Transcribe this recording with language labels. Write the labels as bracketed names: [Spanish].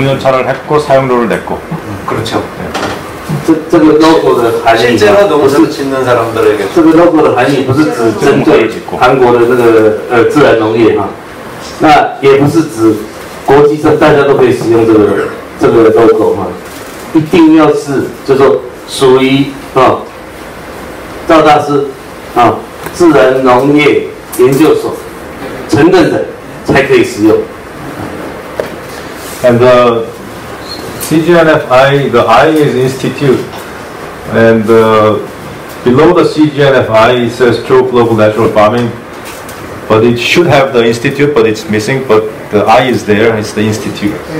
[Korean] 전문연찬을했고사용료를냈고 그렇죠 [Chinese] 这个 logo 的含义， [Korean] 실제로농사짓는사람들에게 [Chinese] 这个 logo 的含义不是只针对韩国的那个自然农业哈，那也不是指国际上大家都可以使用这个 logo 哈，一定要是就说属于啊赵大师啊自然农业研究所承认的才可以使用。 [English] And the CGNFI, the I is institute, and below the CGNFI it says True Global Natural Farming, but it should have the institute, but it's missing, but the I is there, it's the institute.